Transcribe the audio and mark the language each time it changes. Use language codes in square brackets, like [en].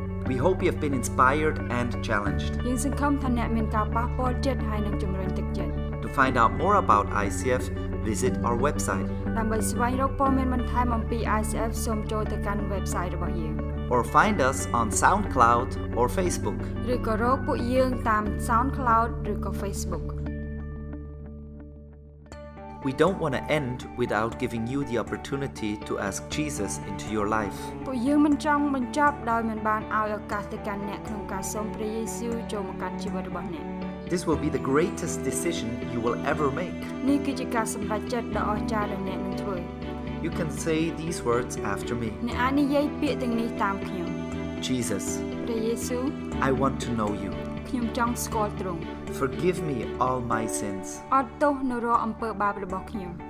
[en] we hope you have been inspired and challenged [km] យើងសង្ឃឹមថាអ្នកមានការប៉ះពាល់ចិត្តហើយនឹងជំរុញទឹកចិត្ត [en] to find out more about ICF visit our website [km] ដើម្បីស្វែងរកព័ត៌មានបន្ថែមអំពី ICF សូមចូលទៅកាន់ website របស់យើង [en] or find us on SoundCloud or Facebook [km] ឬក៏រកពួកយើងតាម SoundCloud ឬក៏ Facebook [en] We don't want to end without giving you the opportunity to ask Jesus into your life [km] ពួកយើងមិនចង់បញ្ចប់ដោយមិនបានឲ្យឱកាសទៅកាន់អ្នកក្នុងការសូមព្រះយេស៊ូវចូលមកកាន់ជីវិតរបស់អ្នក [en] This will be the greatest decision you will ever make. [km] នេះគឺជាការសម្រេចចិត្តដ៏អស្ចារ្យដែលអ្នកនឹងធ្វើ [en] You can say these words after me. [km] អ្នកអាចនិយាយពាក្យទាំងនេះតាមខ្ញុំ [en] Jesus. [km] ព្រះយេស៊ូវ [en] I want to know you. [km] ខ្ញុំចង់ស្គាល់ទ្រង់ [en] Forgive me all my sins. [km] អរទោសនូវរាល់អំពើបាបរបស់ខ្ញុំ